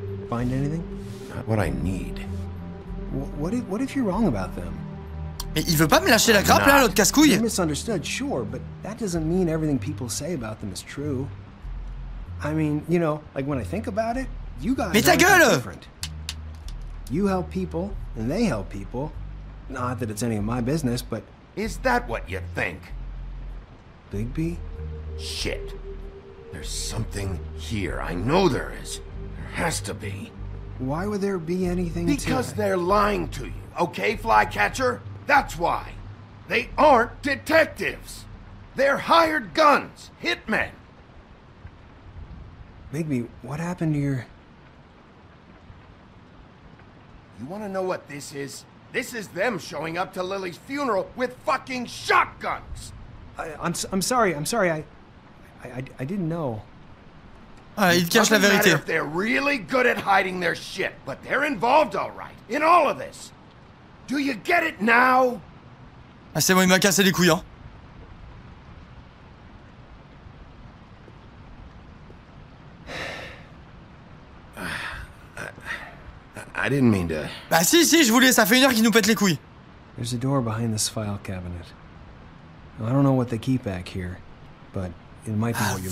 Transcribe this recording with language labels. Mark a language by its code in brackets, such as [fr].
[en] Find anything? Not what I need. What if you're wrong about them? [fr] Mais il veut pas me lâcher la grappe là, l'autre casse-couille. [en] You misunderstood, sure, but that doesn't mean everything people say about them is true. I mean, you know, like when I think about it, you guys. [fr] Mais ta gueule! [en] You help people, and they help people. Not that it's any of my business, but is that what you think? Bigby? Shit. There's something here. I know there is. There has to be. Why would there be anything? Because to... they're lying to you, okay, flycatcher? That's why. They aren't detectives. They're hired guns, hitmen. Bigby, what happened to your... You want to know what this is? This is them showing up to Lily's funeral with fucking shotguns. I'm sorry, I didn't know. [fr] Ah, il cache la vérité. [en] If they're really good at hiding their shit, but they're involved all right in all of this. Do you get it now? [fr] Ah, c'est bon, il m'a cassé les couilles, hein. [en] I I didn't mean to... [fr] Bah si, si, je voulais, ça fait une heure qu'ils nous pètent les couilles. [en] There's a door behind this file cabinet. I don't know what they keep back here, but it might be what you're